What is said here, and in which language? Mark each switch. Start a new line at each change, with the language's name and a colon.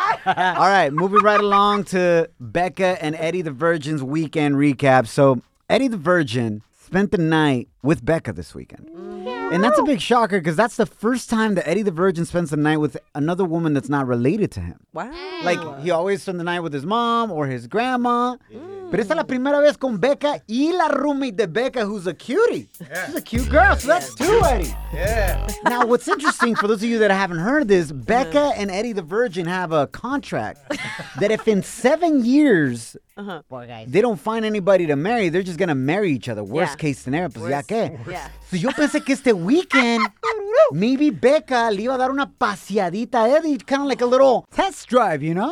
English: All right, moving right along to Becca and Eddie the Virgin's weekend recap. So Eddie the Virgin spent the night with Becca this weekend. Yeah. And that's a big shocker because that's the first time that Eddie the Virgin spends the night with another woman that's not related to him. Wow. Like, he always spends the night with his mom or his grandma.
Spanish: Pero esta es la primera vez con Becca y la roommate de Becca,
English: who's a cutie. Yeah. She's a cute girl, so that's 2, Eddie. Yeah. Now, what's interesting, for those of you that haven't heard this, Becca and Eddie the Virgin have a contract that if in 7 years they don't find anybody to marry, they're just going to marry each other. Worst case scenario,
Spanish: pues ya que.
English: So
Spanish: yo pensé que este
English: weekend, maybe Becca
Spanish: le iba a dar una paseadita a
English: Eddie, kind of like a little test drive, you know?